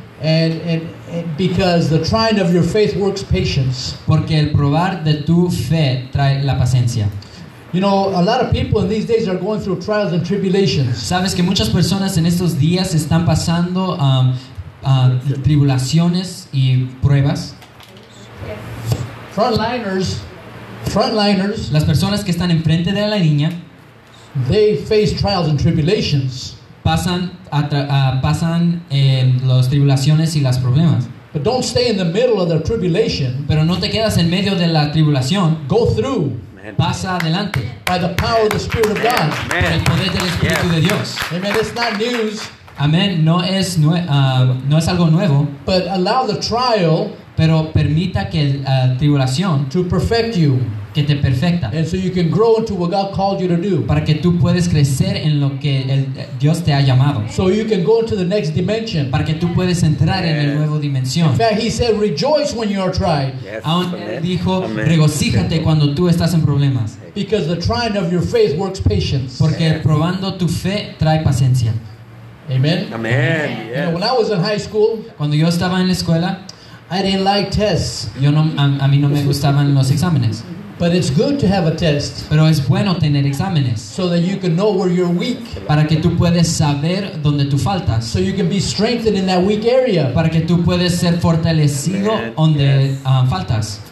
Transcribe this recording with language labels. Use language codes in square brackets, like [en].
[en] And because the trying of your faith works patience. [es] Porque el probar de tu fe trae la paciencia. [en] You know, a lot of people in these days are going through trials and tribulations. [es] Sabes que muchas personas en estos días están pasando tribulaciones y pruebas. [en] Frontliners. [es] Las personas que están enfrente de la línea. [en] They face trials and tribulations. [es] Pasan las tribulaciones y los problemas. [en] But don't stay in the middle of the tribulation. [es] Pero no te quedas en medio de la tribulación. [en] Go through. [es] Pasa adelante. [en] By the power of the Spirit of God. [es] Amen. El poder del Espíritu de Dios. [en] Amen. It's not news. [es] Amen. No es algo nuevo. [en] But allow the trial. [es] Pero permita que la tribulación. [en] To perfect you. [es] Que te perfecta. [en] And so you can grow into what God called you to do. [es] Para que tú puedes crecer en lo que Dios te ha llamado. [en] So you can go into the next dimension. [es] Para que tú puedes entrar en el nuevo dimensión. [en] In fact, he said, rejoice when you are tried. [es] Yes, aún dijo, regocíjate cuando tú estás en problemas. [en] Because the trying of your faith works patience. [es] Porque probando tu fe trae paciencia. [en] Amen. [es] Amen. [en] You know, when I was in high school. [es] Cuando yo estaba en la escuela. [en] I didn't like tests. [es] Yo no, a mí no me gustaban los exámenes. [en] But it's good to have a test. [es] Pero es bueno tener exámenes. [en] So that you can know where you're weak. [es] Para que tú puedes saber dónde tú faltas. [en] So you can be strengthened in that weak area. [es] Para que tú puedes ser fortalecido donde faltas.